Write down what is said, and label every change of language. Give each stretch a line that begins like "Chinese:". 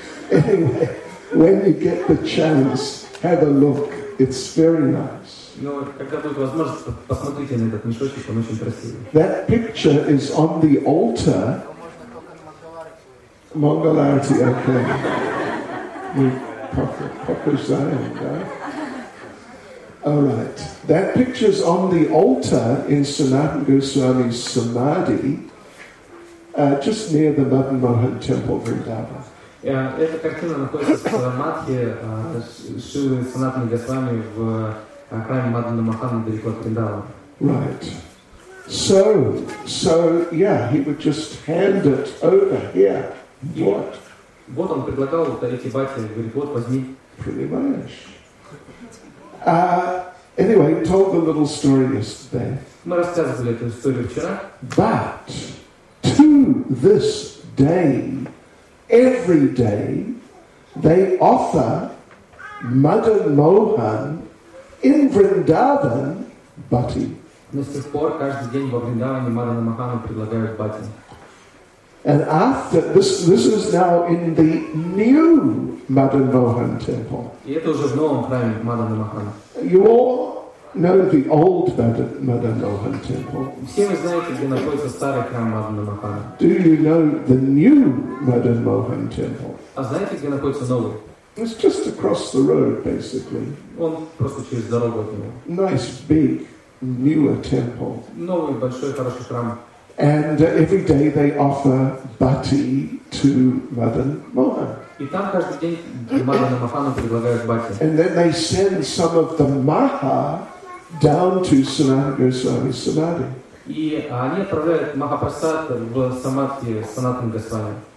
English: Anyway, when you get the chance, have a look. It's very nice.
Russian: Но когда будет возможность, посмотрите на этот мешочек, он очень красивый.
English: That picture is on the altar. Mangalarti, okay. Papa Zion, right? All right. That picture is on the altar in Sanatan Goswami's Samadhi, just near the Madan Mohan Temple, Vrindavan.
Russian: Эта картина находится в Самадхи, Шивы Санатана Госвами в храме Мадана Махана далеко от Вриндавана.
English: Right. So, yeah, he would just hand it over here. What?
Russian: Вот он предлагал вот эти бати, говорит, вот возьми.
English: Pretty much. Anyway, told the little story yesterday.
Russian: Мы рассказывали эту историю вчера.
English: But to this day, every day, they offer Madan Mohan in Vrindavan Bhati.
Russian: До сих пор каждый день во Вриндаване Мадана Махана предлагают бати.
English: And after this is now in the new Madan Mohan temple.
Russian: И это уже в новом храме Мадана Махана.
English: You all know the old Madan Mohan temple.
Russian: Все вы знаете, где находится старый храм Мадана Махана.
English: Do you know the new Madan Mohan temple?
Russian: А знаете, где находится новый?
English: It's just across the road, basically.
Russian: Он просто через дорогу от него.
English: Nice big newer temple.
Russian: Новый большой хороший храм.
English: And every day they offer bhati to Madan Mohan.
Russian: И там каждый день Мадана Махана предлагают бхати.
English: And then they send some of the maha down to Sanatana Goswami's Samadhi.
Russian: И они отправляют махапрасад в самадхи Санатана Госвами.